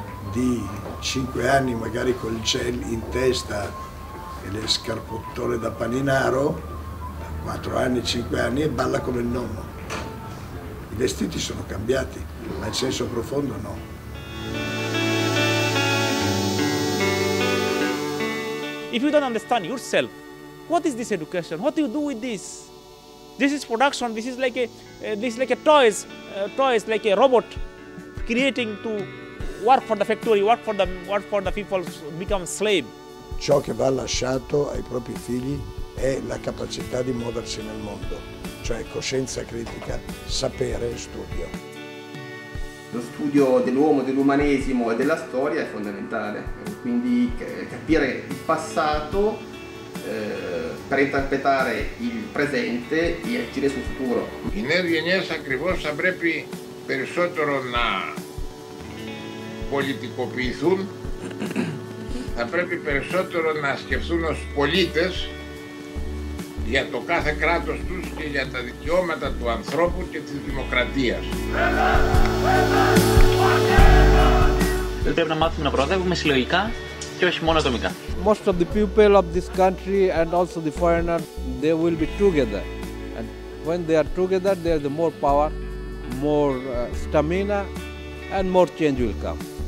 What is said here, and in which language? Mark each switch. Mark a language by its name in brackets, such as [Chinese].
[Italian] di 5 anni, magari col gel in testa e le scarpottole da paninaro, 4 anni, 5 anni, e balla come il nonno. I vestiti sono cambiati, ma il senso profondo no. [English] If you don't understand yourself, what is this education? What do you do with this? This is production. This is like a toys, toys like a robot, creating to work for the factory, work for the people, become slave. [Italian] Ciò che va lasciato ai propri figli è la capacità di muoversi nel mondo, cioè coscienza critica, sapere e studio. Lo studio dell'uomo, dell'umanesimo e della storia è fondamentale, quindi capire il passato per interpretare il presente e agire sul futuro. [Greek] In Ergenes ακριβώς θα πρέπει περισσότερο να πολιτικοποιηθούν, θα πρέπει περισσότερο να σκεφτούν ως πολίτες για το κάθε κράτος τους και για τα δικαιώματα του ανθρώπου και της δημοκρατίας. Δεν πρέπει να μάθουμε να προοδεύουμε συλλογικά και όχι μόνο ατομικά. [English] Most of the people of this country and also the foreigners, they will be together. And when they are together, they have more power, more stamina and more change will come.